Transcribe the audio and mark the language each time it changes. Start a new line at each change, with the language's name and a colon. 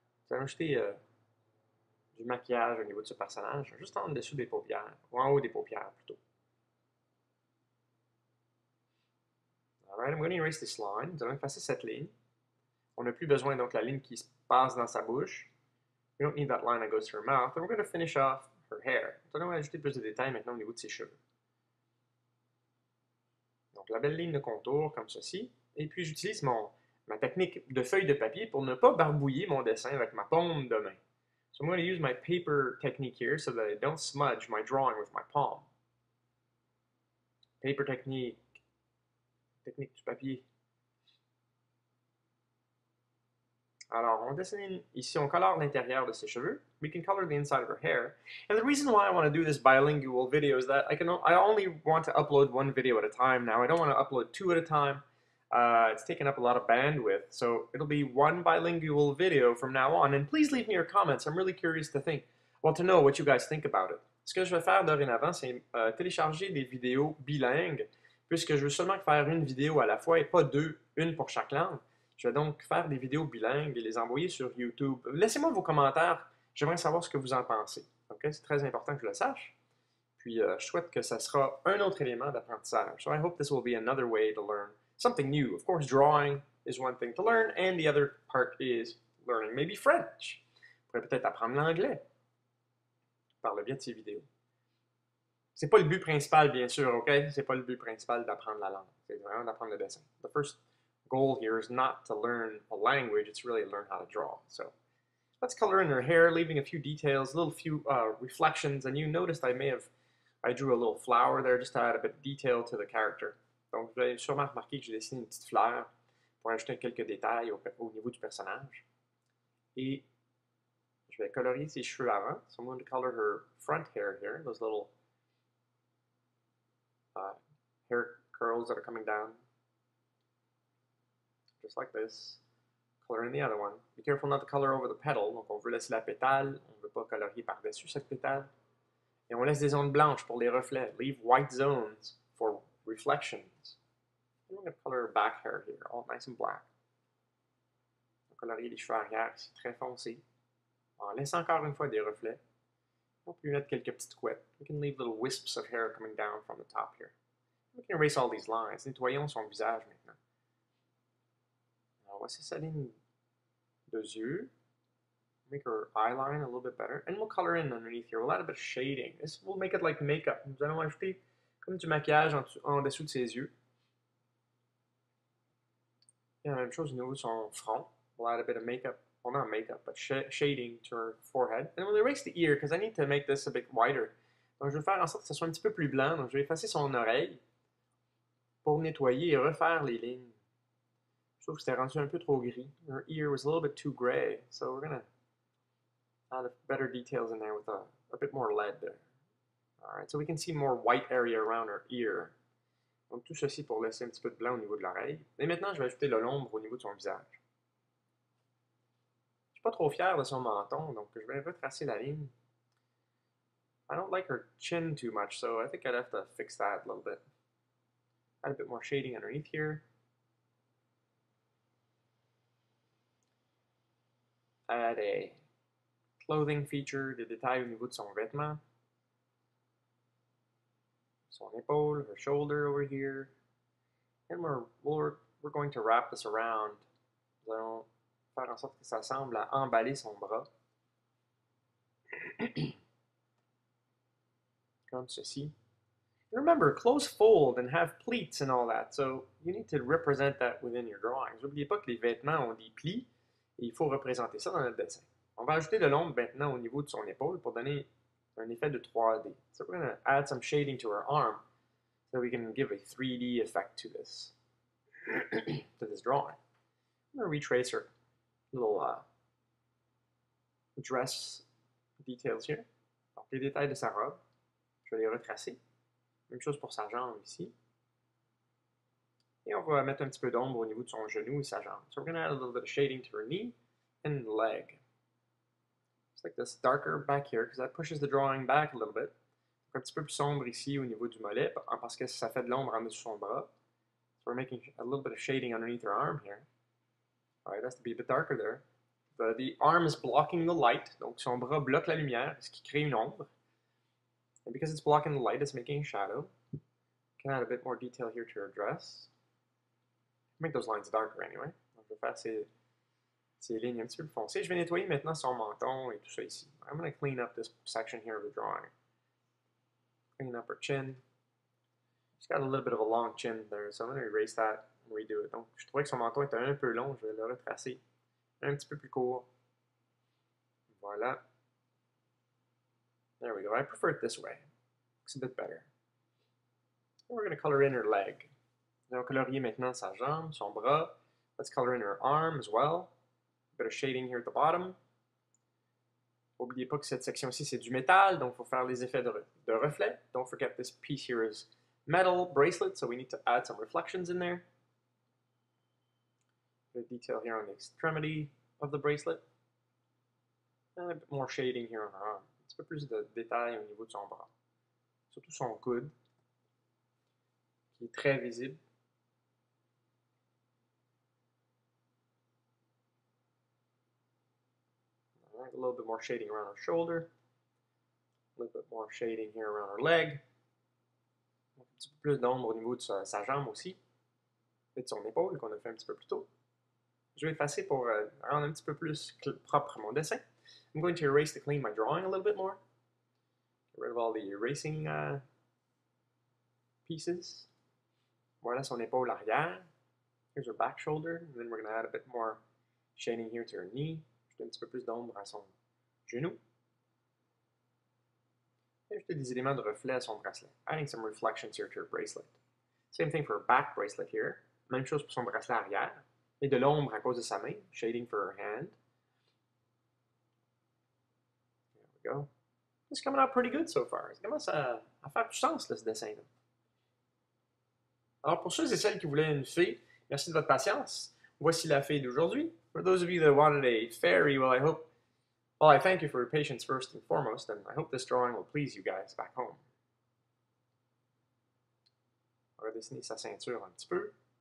French: Nous allons ajouter du maquillage au niveau de ce personnage, juste en dessous des paupières, ou en haut des paupières plutôt.
English: Alright, I'm going to erase this line.
French: Nous allons effacer cette ligne. On n'a plus besoin donc la ligne qui se passe dans sa bouche.
English: We don't need that line that goes to her mouth. And we're going to finish off her hair.
French: Nous allons ajouter plus de détails maintenant au niveau de ses cheveux. Donc la belle ligne de contour comme ceci. Et puis j'utilise ma technique de feuille de papier pour ne pas barbouiller mon dessin avec ma paume de main.
English: So I'm going to use my paper technique here so that I don't smudge my drawing with my palm. Paper technique.
French: Technique du papier. Alors, on dessine ici, on colore l'intérieur de ses cheveux.
English: We can color the inside of her hair. And the reason why I want to do this bilingual video is that I only want to upload one video at a time now. I don't want to upload two at a time. It's taken up a lot of bandwidth, so it'll be one bilingual video from now on. And please leave me your comments. I'm really curious to think, well, to know what you guys think about it.
French: Ce que je vais faire dorénavant, c'est télécharger des vidéos bilingues, puisque je veux seulement faire une vidéo à la fois et pas deux, une pour chaque langue. Je vais donc faire des vidéos bilingues et les envoyer sur YouTube. Laissez-moi vos commentaires. J'aimerais savoir ce que vous en pensez. Ok, c'est très important que je le sache. Puis je souhaite que ça sera un autre élément d'apprentissage.
English: So I hope this will be another way to learn something new. Of course, drawing is one thing to learn, and the other part is learning maybe French.
French: Je pourrais peut-être apprendre l'anglais par le biais de ces vidéos. C'est pas le but principal, bien sûr, ok? C'est pas le but principal d'apprendre la langue. C'est vraiment d'apprendre le dessin.
English: The first goal here is not to learn a language, it's really learn how to draw. So, let's color in her hair, leaving a few details, a little few reflections, and you noticed I drew a little flower there just to add a bit of detail to the character.
French: Donc, vous avez sûrement remarqué que j'ai dessiné une petite fleur pour ajouter quelques détails au niveau du personnage. Et je vais colorier ses cheveux avant.
English: So, I'm going to color her front hair here, those little hair curls that are coming down. Just like this. Color in the other one. Be careful not to color over the petal.
French: Donc, on veut laisser la pétale. On ne veut pas colorier par-dessus cette pétale. Et on laisse des zones blanches pour les reflets.
English: Leave white zones for reflections. I'm going to color her back hair here, all nice and black.
French: On va colorier les cheveux arrière ici, très foncé. On laisse encore une fois des reflets. On peut mettre quelques petites couettes.
English: We can leave little wisps of hair coming down from the top here. We can erase all these lines.
French: Nettoyons son visage maintenant. Alors, voici sa ligne de yeux.
English: Make her eye line a little bit better. And we'll color in underneath here. We'll add a bit of shading. This will make it like makeup.
French: Nous allons ajouter comme du maquillage en dessous de ses yeux. Et la même chose au niveau de son front.
English: We'll add a bit of makeup. Well, not makeup, but shading to her forehead. And we'll erase the ear, because I need to make this a bit wider.
French: Donc, je vais faire en sorte que ce soit un petit peu plus blanc. Donc, je vais effacer son oreille pour nettoyer et refaire les lignes. Je trouve que c'était rendu un peu trop gris.
English: Her ear was a little bit too gray. So, we're going to add a better details in there with a bit more lead there. Alright, so we can see more white area around her ear.
French: Donc, tout ceci pour laisser un petit peu de blanc au niveau de l'oreille. Et maintenant, je vais ajouter de l'ombre au niveau de son visage. Je suis pas trop fier de son menton, donc je vais retracer la ligne.
English: I don't like her chin too much, so I think I'd have to fix that a little bit. Add a bit more shading underneath here. Add a clothing feature,
French: des détails au niveau de son vêtement. Son épaule,
English: her shoulder over here. And we'll we're going to wrap this around.
French: Nous allons faire en sorte que ça semble à emballer son bras. Comme ceci.
English: Remember, clothes fold and have pleats and all that, so you need to represent that within your drawings.
French: N'oubliez pas que les vêtements ont des plis et il faut représenter ça dans notre dessin. On va ajouter de l'ombre maintenant au niveau de son épaule pour donner un effet de 3D.
English: So we're going to add some shading to her arm so we can give a 3D effect to this, to this drawing. I'm going to retrace her little dress details here.
French: Donc les détails de sa robe, je vais les retracer. Même chose pour sa jambe ici. Et on va mettre un petit peu d'ombre au niveau de son genou et sa jambe.
English: So we're going to add a little bit of shading to her knee and leg. It's like this darker back here because that pushes the drawing back a little bit.
French: Un petit peu plus sombre ici au niveau du mollet parce que ça fait de l'ombre en dessous de son bras.
English: So we're making a little bit of shading underneath her arm here. All right, that's to be a bit darker there. But the arm is blocking the light.
French: Donc son bras bloque la lumière, ce qui crée une ombre.
English: And because it's blocking the light, it's making a shadow. Can add a bit more detail here to her dress. Make those lines darker anyway.
French: Donc, je vais faire ces lignes un petit peu plus foncées. Je vais nettoyer maintenant son menton et tout ça ici.
English: I'm going to clean up this section here of the drawing. Clean up her chin. She's got a little bit of a long chin there, so I'm going to erase that and redo it.
French: Donc, je trouvais que son menton était un peu long. Je vais le retracer un petit peu plus court.
English: Voilà. There we go. I prefer it this way. Looks a bit better. We're going to color in her leg.
French: On va colorier maintenant sa jambe, son bras.
English: Let's color in her arm as well. A bit of shading here at the bottom.
French: N'oubliez pas que cette section-ci, c'est du métal, donc il faut faire les effets de reflet.
English: Don't forget this piece here is metal bracelet, so we need to add some reflections in there. A bit of detail here on the extremity of the bracelet. And a bit more shading here on her arm.
French: Un petit peu plus de détails au niveau de son bras. Surtout son coude, qui est très visible.
English: Right, a little bit more shading around her shoulder. A little bit more shading here around her leg.
French: Un petit peu plus d'ombre au niveau de sa jambe aussi. Et de son épaule qu'on a fait un petit peu plus tôt. Je vais effacer pour rendre un petit peu plus propre mon dessin.
English: I'm going to erase to clean my drawing a little bit more. Get rid of all the erasing pieces.
French: Voilà son épaule arrière.
English: Here's her back shoulder. And then we're going to add a bit more shading here to her knee.
French: Juste un petit peu plus d'ombre à son genou. Et juste des éléments de reflet à son bracelet.
English: Adding some reflections here to her bracelet. Same thing for her back bracelet here.
French: Même chose pour son bracelet arrière. Et de l'ombre à cause de sa main.
English: Shading for her hand. It's coming out pretty good so far.
French: Ça commence à faire du sens, là, ce dessin. Là. Alors, pour ceux et celles qui voulaient une fée, merci de votre patience. Voici la fée d'aujourd'hui.
English: For those of you that wanted a fairy, I thank you for your patience first and foremost, and I hope this drawing will please you guys back home.
French: On va dessiner sa ceinture un petit peu.